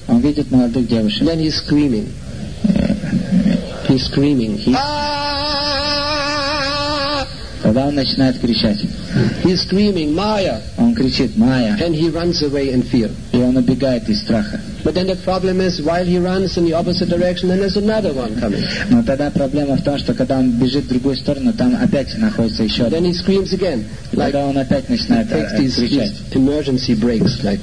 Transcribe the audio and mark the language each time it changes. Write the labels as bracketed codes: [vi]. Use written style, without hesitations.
[ru] он видит молодых девушек. [en] Then he's screaming. He's screaming. [ru] Тогда он начинает кричать. [en] He's screaming, Maya. [ru] Он кричит, Maya. [en] And he runs away in fear. [ru] И он убегает из страха. [en] But then the problem is, while he runs in the opposite direction, then there's another one coming. [ru] Но тогда проблема в том, что когда он бежит в другую сторону, там опять находится еще один. [en] Then he screams again. [ru] Like, тогда он опять начинает кричать. [en] His emergency brakes, like,